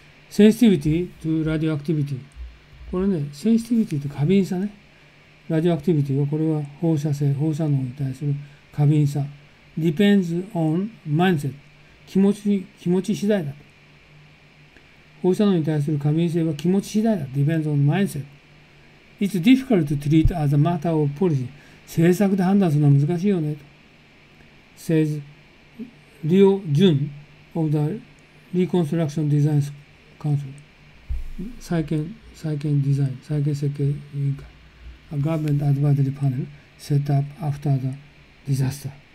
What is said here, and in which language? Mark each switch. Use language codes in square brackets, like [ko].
[ja] センシティビティとラディオアクティビティ。これね、センシティビティと過敏さね。ラディオアクティビティは、これは放射性、放射能に対する過敏さ。 [en] depends on mindset。 [ja] 気持ち次第だと。放射能に対する過敏性は気持ち次第だ。 [en] depends on mindset。 it's difficult to treat as a matter of policy。 [ja] 政策で判断するのは難しいよね。 [en] と。says Leo Jun of theリコンストラクションデザインカウンセル、 [ja] 再建デザイン、再建設計委員会、 [en] A government advisory panel set up after the disaster.